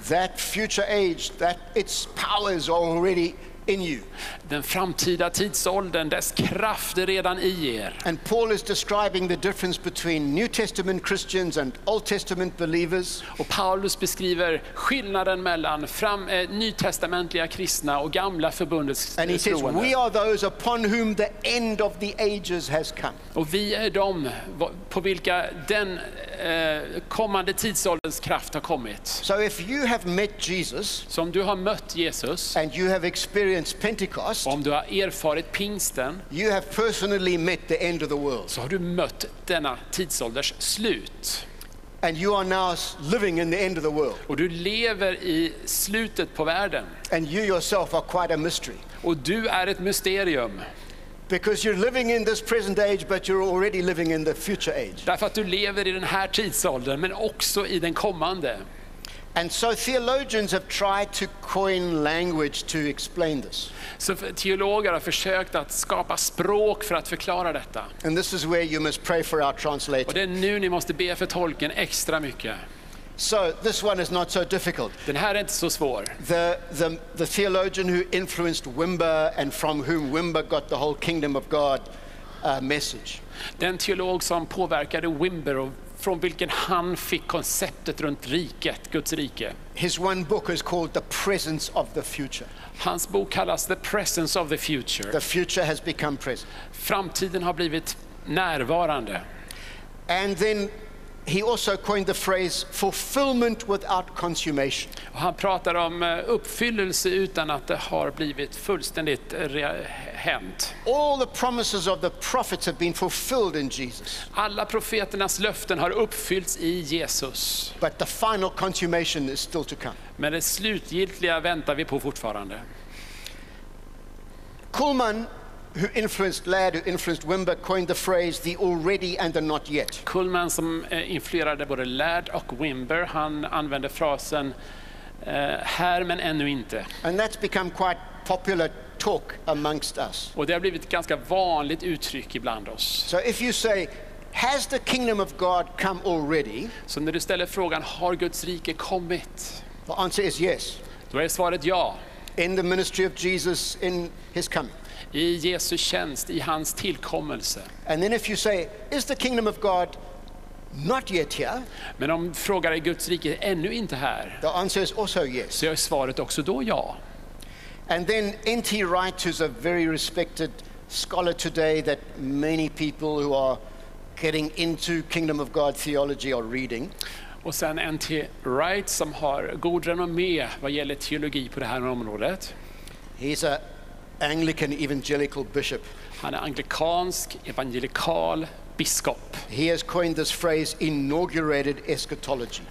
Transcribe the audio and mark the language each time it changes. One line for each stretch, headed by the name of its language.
English: That future age, that its powers are already in you.
Swedish: Den framtida tidsåldern, dess kraft är redan i er.
English: And Paul is describing the difference between New Testament Christians and Old Testament believers.
Swedish: Och Paulus beskriver skillnaden mellan nytestamentliga kristna och gamla förbundets troende.
English: And he says, we are those upon whom the end of the ages has come.
Swedish: Och vi är de på vilka den kommande tidsålderns kraft har kommit.
English: So if you have met Jesus,
Swedish: så om du har mött Jesus,
English: and you have experienced Pentecost,
Swedish: om du har erfarit pingsten,
English: you have personally met the end of the world.
Swedish: Så har du mött denna tidsålders slut.
English: And you are now living in the end of the world.
Swedish: Och du lever i slutet på världen.
English: And you yourself are quite a mystery.
Swedish: Och du är ett mysterium.
English: Because you're living in this present age, but you're already living in the future age.
Swedish: Därför att du lever i den här tidsåldern, men också i den kommande.
English: And so theologians have tried to coin language to explain this.
Swedish: Så teologer har försökt att skapa språk för att förklara detta.
English: And this is where you must pray for our translator.
Swedish: Och det är nu ni måste be för tolken extra mycket.
English: So this one is not so difficult.
Swedish: Den här är inte så svår.
English: The theologian who influenced Wimber and from whom Wimber got the whole kingdom of God message.
Swedish: Den teolog som påverkade Wimber och från vilken han fick konceptet runt riket, Guds rike.
English: His one book is called The Presence of the Future.
Swedish: Hans bok kallas The Presence of the Future.
English: The future has become present.
Swedish: Framtiden har blivit närvarande.
English: And then he also coined the phrase fulfillment without consummation.
Swedish: Och han pratar om uppfyllelse utan att det har blivit fullständigt hänt.
English: All the promises of the prophets have been fulfilled in Jesus.
Swedish: Alla profeternas löften har uppfyllts i Jesus.
English: But the final consummation is still to come.
Swedish: Men det slutgiltiga väntar vi på fortfarande.
English: Kuhlmann, who influenced Ladd, who influenced Wimber, coined the phrase the already and the not yet.
Swedish: Kuhlmann, som influerade både Ladd och Wimber, han använde frasen här men ännu inte.
English: And that's become quite popular talk amongst us.
Swedish: Och det har blivit ett ganska vanligt uttryck ibland oss.
English: So if you say, has the kingdom of God come already?
Swedish: Så när du ställer frågan, har Guds rike kommit?
English: The answer is yes.
Swedish: Då är svaret ja.
English: In the ministry of Jesus, in his coming.
Swedish: I Jesu tjänst, i hans tillkommelse.
English: And then if you say, is the kingdom of God not yet here?
Swedish: Men om frågar är Guds rike ännu inte här?
English: The answer is also yes.
Swedish: Så är svaret också då ja.
English: And then N.T. Wright, who's a very respected scholar today that many people who are getting into kingdom of God theology are reading.
Swedish: Och sen N.T. Wright, som har god renommé vad gäller teologi på det här området.
English: He's a Anglican evangelical bishop.
Swedish: Han är anglikansk evangelikal biskop.
English: He has coined this phrase inaugurated eschatology.